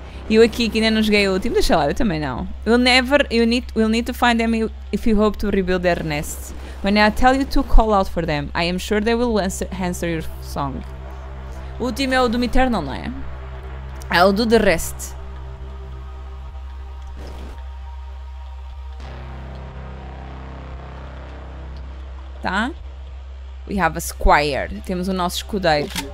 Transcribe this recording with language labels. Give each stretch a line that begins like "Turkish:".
Portuguese: Eu aqui que ainda não joguei o último, deixa lá, eu também não.
English: We'll need to find them if you hope to rebuild their nest. When I tell you to call out for them, I am sure they will answer your song.
Portuguese: O último é o Doom Eternal, não é? É o do The Rest. Tá?
English: We have a squire.
Portuguese: Temos o nosso escudeiro.